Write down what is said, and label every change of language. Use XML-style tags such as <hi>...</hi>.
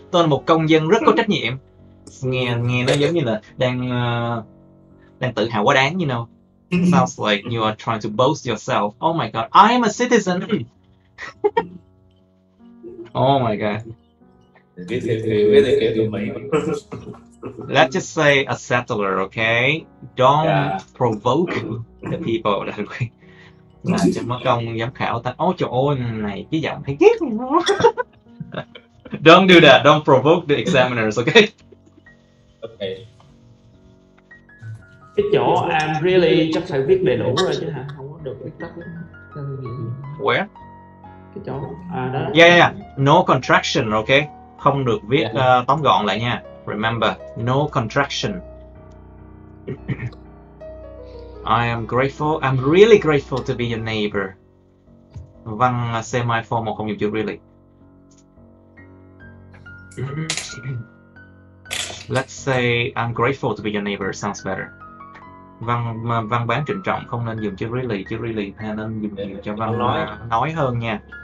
<vi>Tôi là một công dân rất có trách nhiệm. Nghe nó giống như là đang tự hào quá đáng,</vi> <en>you know. Sounds like you are trying to boast yourself. Oh my god, I am a citizen. Oh my god. Let's just say a settler, okay? Don't provoke the people that way.</en> <vi>Là cho mất công giám khảo ta. Ôi trời ơi, này cái giọng thấy ghét nó.</vi> <en>Don't do that, don't provoke the examiners, okay? Okay.</en> <vi>Cái chỗ</vi> <en>I'm really</en> <vi>chắc phải viết đầy đủ rồi chứ hả? Không có được viết tắt nữa.</vi> <en>Where?</en> <vi>Cái chỗ, à đó.</vi> <en>Yeah. No contraction, okay?</en> <vi>Không được viết tóm gọn lại nha.</vi> <en>Remember, no contraction. I am grateful. I'm really grateful to be your neighbor.</en> <vi>Văn semi formal không dùng chữ really.</vi> <en>Let's say I'm grateful to be your neighbor sounds better.</en> <vi>Văn bán trịnh trọng không nên dùng chữ really. Chữ really hay nên dùng nhiều cho văn nói hơn nha.</vi>